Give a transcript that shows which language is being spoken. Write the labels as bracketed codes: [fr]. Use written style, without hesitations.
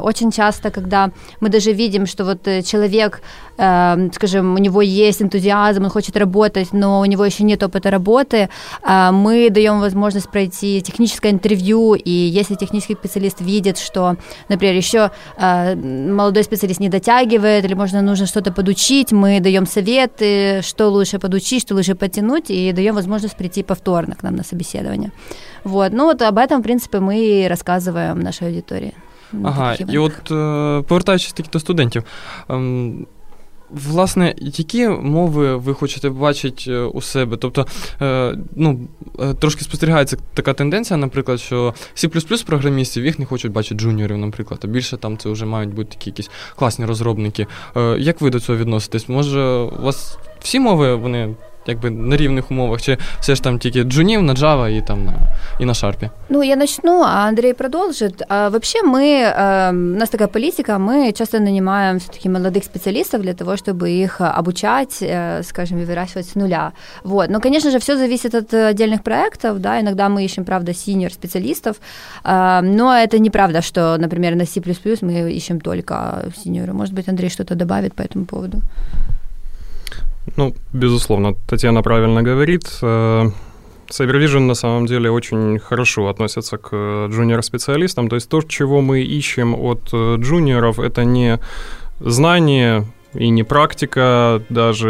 [ru] Очень часто, когда мы даже видим, что вот человек, скажем, у него есть энтузиазм, он хочет работать, но у него еще нет опыта работы, мы даем возможность пройти техническое интервью, и если технический специалист видит, что, например, еще молодой специалист не дотягивает, или, может, нужно что-то подучить, мы даем советы, что лучше подучить, что лучше подтянуть, и даем возможность прийти повторно к нам на собеседование. Вот. Ну, вот об этом, в принципе, мы и рассказываем нашей аудитории. [uk] Ага, и от повертаючись таки до студентів, власне, які мови ви хочете бачити у себе? Тобто, ну, трошки спостерігається така тенденція, наприклад, що C++ програмістів їх не хочуть бачити джуніорів, наприклад, а більше там це вже мають бути такі якісь класні розробники. Як ви до цього відноситесь? Може, у вас всі мови, вони якби на рівних умовах, чи все ж там тільки джунів на Java і там і на Шарпі? [ru] Ну, я начну, [uk] а Андрій продовжить. Взагалі, ми, у нас така політика, ми часто нанімаємо все-таки молодих спеціалістів для того, щоб їх обучати, скажімо, і вирощувати з нуля. Вот. Ну, звісно ж, все залежить від окремих проєктів, да, іноді ми іщемо, правда, сіньор спеціалістів, але це не правда, що, наприклад, на C++ ми іщемо тільки сіньору. Може бути, Андрій щось додавить по цьому поводу? [ru] Ну, безусловно, Татьяна правильно говорит. CyberVision на самом деле очень хорошо относится к джуниор-специалистам. То есть то, чего мы ищем от джуниоров, это не знание и не практика даже.